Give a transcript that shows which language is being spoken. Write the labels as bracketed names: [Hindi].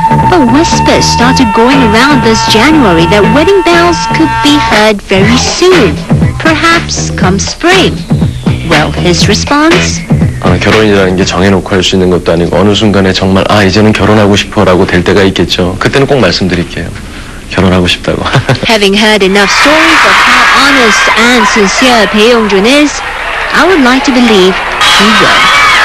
[English] But whispers started going around this January that wedding bells could be heard very soon, perhaps come spring. Well, his response? [Korean] 결혼이라는 게 정해놓고 할 수 있는 것도 아니고 어느 순간에 정말 아 이제는 결혼하고 싶어 라고 될 때가 있겠죠. 그때는 꼭 말씀드릴게요. 결혼하고 싶다고. [English] Having heard enough stories of how honest and sincere 배용준 is, I would like to believe he will.